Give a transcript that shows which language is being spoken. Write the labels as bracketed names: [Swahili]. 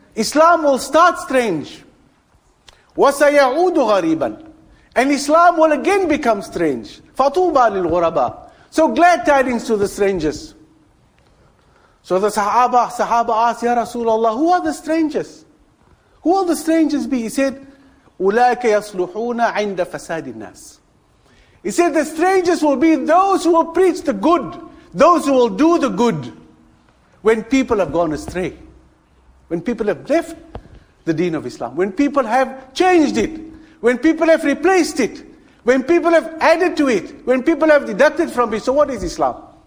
[English] Islam will start strange. [Arabic] وَسَيَعُودُ غَرِيبًا. [English] And Islam will again become strange. [Arabic] فَطُوبَ لِلْغُرَبَى. [English] So glad tidings to the strangers. So the Sahaba asked, "Ya Rasulullah, who are the strangers? Who will the strangers be?" He said, [Arabic] "أُولَٰئِكَ يَصْلُحُونَ عِنْدَ فَسَادِ النَّاسِ." [English] He said, the strangers will be those who will preach the good, those who will do the good when people have gone astray, when people have left the deen of Islam, when people have changed it, when people have replaced it, when people have added to it, when people have deducted from it. So what is Islam?